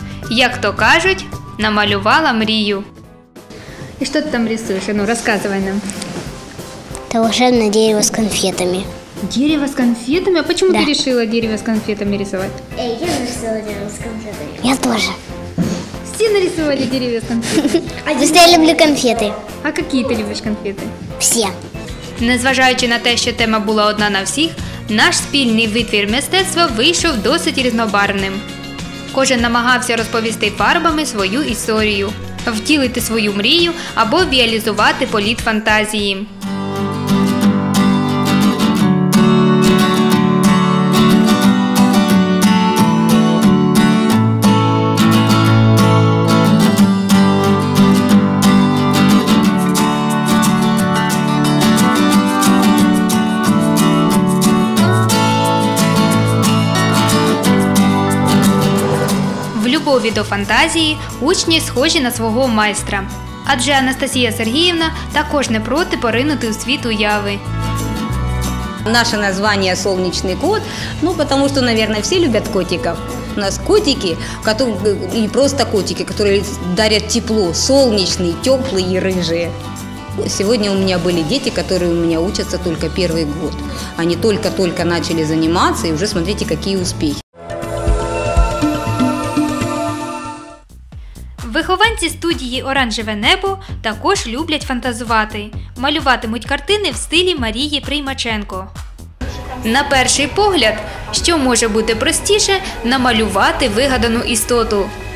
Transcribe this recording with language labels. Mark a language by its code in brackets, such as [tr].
[uk] Як то кажуть, намалювала мрію. І що ти там рисуєш? Ну, розказуй нам. Та волшебне дерево з конфетами. Дерево з конфетами? А чому ти вирішила дерево з конфетами рисувати? Я рисувала дерево з конфетами. Я теж. [ru] Все нарисовали деревья с конфетами. Просто я люблю конфеты. А какие ты любишь конфеты? Все. [uk] Незважаючи на те, що тема була одна на всіх, наш спільний витвір мистецтва вийшов досить різнобарвним. Кожен намагався розповісти фарбами свою історію, втілити свою мрію або реалізувати політ фантазії. Музика. готові до фантазії, учні схожі на свого майстра. Адже Анастасія Сергіївна також не проти поринути у світ уяви. [ru] Наше название «Солнечный кот», ну, потому что, наверное, все любят котиков. У нас котики, не просто котики, которые дарят тепло, солнечные, теплые и рыжие. Сегодня у меня были дети, которые у меня учатся только первый год. Они только-только начали заниматься, и уже смотрите, какие успехи. [uk] Вихованці студії «Оранжеве небо» також люблять фантазувати. Малюватимуть картини в стилі Марії Приймаченко. На перший погляд, що може бути простіше – намалювати вигадану істоту.